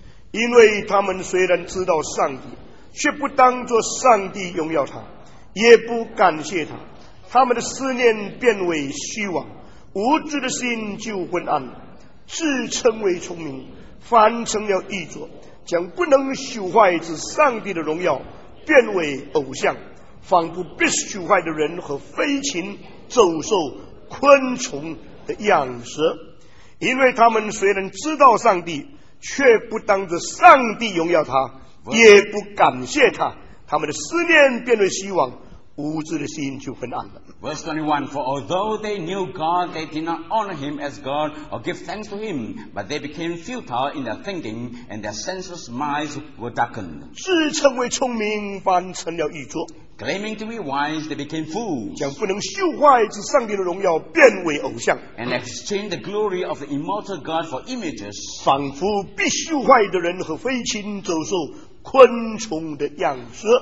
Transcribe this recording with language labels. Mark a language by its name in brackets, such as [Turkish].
[Chinese] 因为他们虽然知道上帝，却不当作上帝荣耀他，也不感谢他，他们的思念变为虚妄，无知的心就昏暗，自称为聪明，反成了愚拙，将不能朽坏之上帝的荣耀变为偶像，仿佛必须朽坏的人和飞禽走兽昆虫的样式。因为他们虽然知道上帝，却不当着上帝荣耀他，也不感谢他，他们的思念变为虚妄，无知的心就昏暗了。 [English] Verse 21, For although they knew God, they did not honor him as God or give thanks to him, but they became futile in their thinking, and their senseless minds were darkened. [Chinese] 自称为聪明，反成了愚拙。 [English] Claiming to be wise, they became fools. [Chinese] 将不能朽坏之上帝的荣耀变为偶像。 [English] And exchanged the glory of the immortal God for images. [Chinese] 仿佛必朽坏的人和飞禽走兽昆虫的样式。